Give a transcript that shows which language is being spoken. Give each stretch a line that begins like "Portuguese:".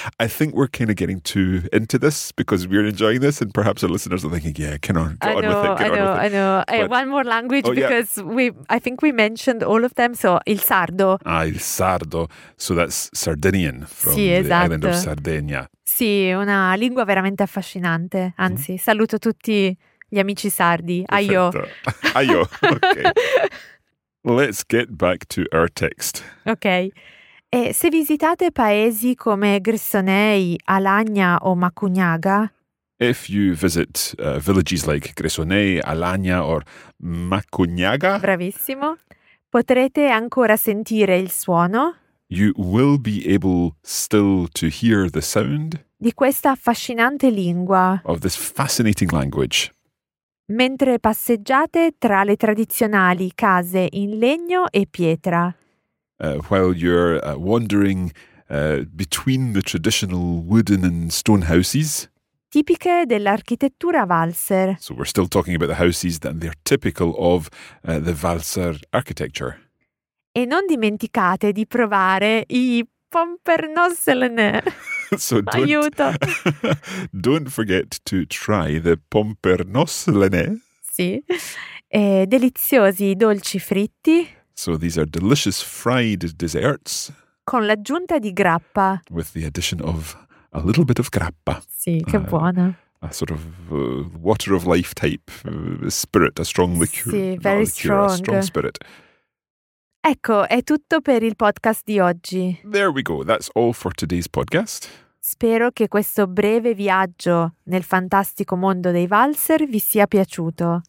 English: I think we're kind of getting too into this because we're enjoying this and perhaps our listeners are thinking, yeah, can I? I know. One more language I think we mentioned all of them.
Italian: So il sardo. Ah, il sardo.
English: So that's Sardinian from island of Sardegna.
Italian: Sì, una lingua veramente affascinante. Anzi, mm-hmm. saluto tutti gli amici sardi.
Sardinian: Aio. Aio. Okay.
English: Let's get back to our text.
Italian: Okay. E se visitate paesi come Grissonei, Alagna o Macugnaga.
English: If you visit villages like Grissonei, Alagna or Macugnaga,
Italian: bravissimo, potrete ancora sentire il suono.
English: You will be able still to hear the sound
Italian: di questa affascinante lingua.
English: Of this fascinating language.
Italian: Mentre passeggiate tra le tradizionali case in legno e pietra.
English: While you're wandering between the traditional wooden and stone houses.
Italian: tipiche dell'architettura valser.
English: So we're still talking about the houses that they're typical of the valser architecture.
Italian: E non dimenticate di provare i pompernosselene.
English: So
Italian: aiuto!
English: Don't forget to try the pompernosselene.
Italian: Sì, deliziosi dolci fritti.
English: So these are delicious fried desserts.
Italian: Con l'aggiunta di grappa.
English: With the addition of a little bit of grappa.
Italian: Sì, che buona.
English: A sort of water of life type spirit, a strong liqueur. Sì, very strong. A strong spirit.
Italian: Ecco, è tutto per il podcast di oggi.
English: There we go, that's all for today's podcast.
Italian: Spero che questo breve viaggio nel fantastico mondo dei valzer vi sia piaciuto.